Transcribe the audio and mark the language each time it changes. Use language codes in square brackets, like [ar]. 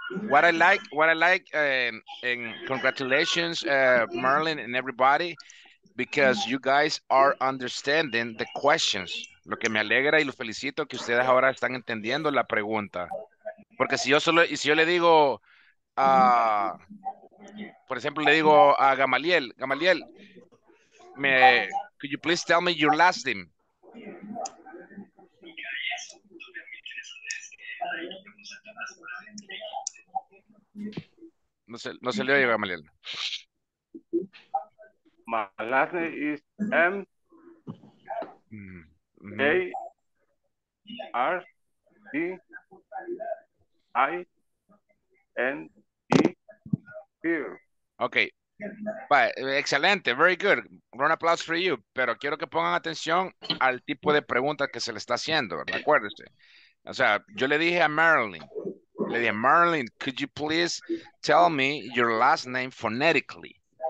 [en] And congratulations, Merlin and everybody, because you guys are understanding the questions. [es] Lo que me alegra y lo felicito que ustedes ahora están entendiendo la pregunta. Porque si yo le digo, por ejemplo, le digo a Gamaliel, [en] could you please tell me your last name? [es] No se le oye, Gamaliel. [en] My last name is M-A-R-D-I-N-E-R. Okay. Bye. [es] Excelente. [en] Very good. Round of applause for you. [es] Pero quiero que pongan atención al tipo de pregunta que se le está haciendo. Acuérdese. O sea, yo le dije a Marilyn. Le dije, [en] Marilyn, could you please tell me your last name phonetically?